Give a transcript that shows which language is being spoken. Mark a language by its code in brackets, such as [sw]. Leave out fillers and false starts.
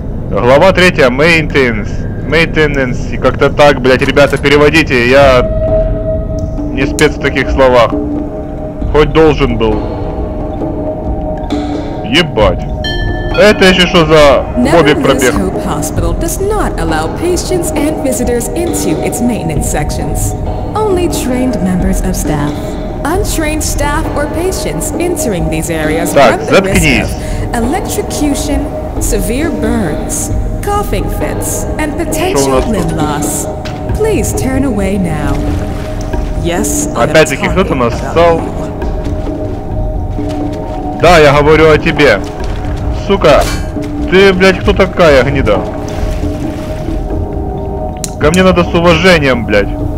[ru] Глава третья, maintenance, и как-то так, блять, ребята, переводите, я не спец в таких словах, хоть должен был. Ебать. Это еще что за Бобик пробег? [en] Hope Hospital does not allow patients and visitors into its maintenance sections. Only trained members of staff. Untrained staff or patients entering these areas run the risk of electrocution, severe burns, coughing fits, and potential limb loss. Please turn away now. [ru] Yes, опять-таки кто-то нас стал. Да, я говорю о тебе. Сука, ты, блядь, кто такая, гнида? Ко мне надо с уважением, блядь.